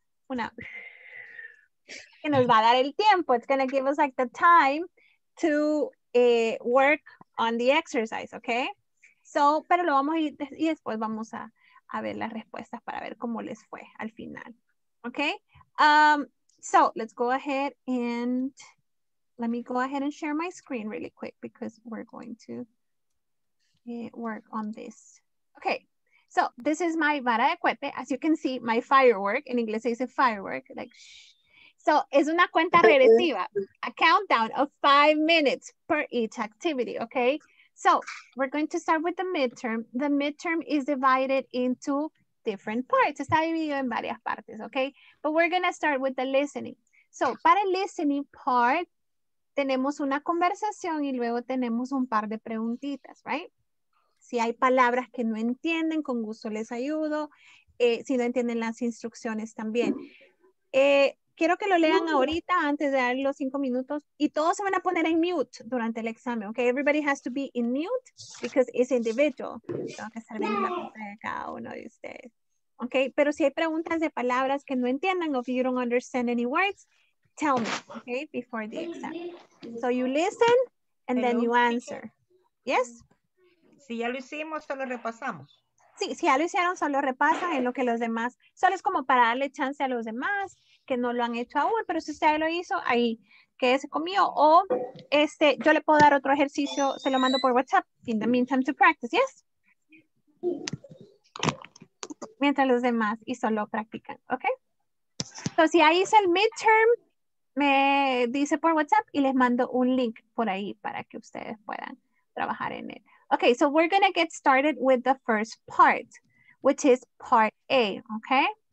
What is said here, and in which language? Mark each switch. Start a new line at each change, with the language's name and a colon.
Spanish: Una que nos va a dar el tiempo.
English: It's going to give us like the time to work on the exercise, okay?
Spanish: So, pero lo vamos a ir y después vamos a ver las respuestas para ver cómo les fue al final, okay?
English: So, let's go ahead and let me go ahead and share my screen really quick because we're going to work on this. Okay, so this is my
Spanish: vara de cuete.
English: As you can see, my firework. In English, it's a firework. Like, so,
Spanish: es una cuenta regresiva.
English: A countdown of 5 minutes per each activity, okay? So, we're going to start with the midterm. The midterm is divided into different parts.
Spanish: Está dividido en varias partes,
English: okay? But we're going to start with the listening.
Spanish: So, para el listening part, tenemos una conversación y luego tenemos un par de preguntitas, right? Si hay palabras que no entienden, con gusto les ayudo. Si no entienden las instrucciones también. Quiero que lo lean ahorita antes de dar los 5 minutos. Y todos se van a poner en mute durante el examen.
English: Okay, everybody has to be in mute because it's individual.
Spanish: Tengo que estar viendo la pantalla de cada uno de ustedes.
English: Okay,
Spanish: pero si hay preguntas de palabras que no entiendan,
English: if you don't understand any words, tell me, okay, before the exam. So you listen and then you answer. Yes?
Spanish: Si ya lo hicimos, solo repasamos. Sí, si ya lo hicieron, solo repasan en lo que los demás. Solo es como para darle chance a los demás que no lo han hecho aún, pero si usted lo hizo, ahí quédese conmigo. O este, yo le puedo dar otro ejercicio, se lo mando por WhatsApp.
English: In the meantime to practice, ¿yes?
Spanish: Mientras los demás y solo practican, ¿ok? Entonces, si ahí es el midterm, me dice por WhatsApp y les mando un link por ahí para que ustedes puedan trabajar en él.
English: Okay, so we're going to get started with the first part, which is part A, okay?